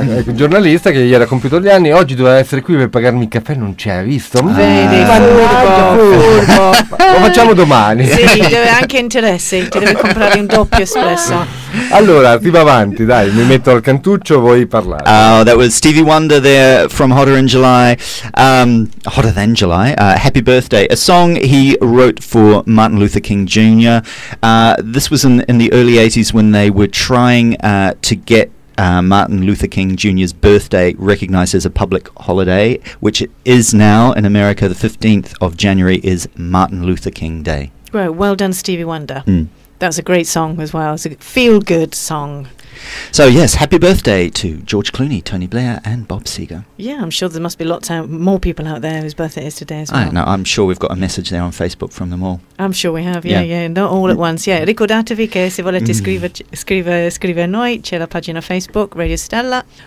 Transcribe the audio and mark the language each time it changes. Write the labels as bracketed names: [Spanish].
[Italian] Giornalista che ieri ha compiuto gli anni, oggi doveva essere qui per pagarmi il caffè, non c'è, visto? Vedi, furbo. Lo facciamo domani. Sì, deve anche interesse, ti deve comprare un doppio espresso. Allora, ti va avanti, dai, mi metto al cantuccio, vuoi parlare. [English] Oh, that was Stevie Wonder there from Hotter in July. Hotter than July. Happy birthday. A song he wrote for Martin Luther King Jr. This was in the early 80s when they were trying to get Martin Luther King Jr.'s birthday recognized as a public holiday, which it is now in America. The 15th of January is Martin Luther King Day. Well, well done, Stevie Wonder. Mm. That's a great song as well. It's a feel-good song. So, yes, happy birthday to George Clooney, Tony Blair and Bob Seger. Yeah, I'm sure there must be lots of more people out there whose birthday is today as well. I know, I'm sure we've got a message there on Facebook from them all. I'm sure we have, yeah. Not all at once. [Italian] Yeah, ricordatevi che se volete scrivere a noi, c'è la pagina Facebook, Radio Stella.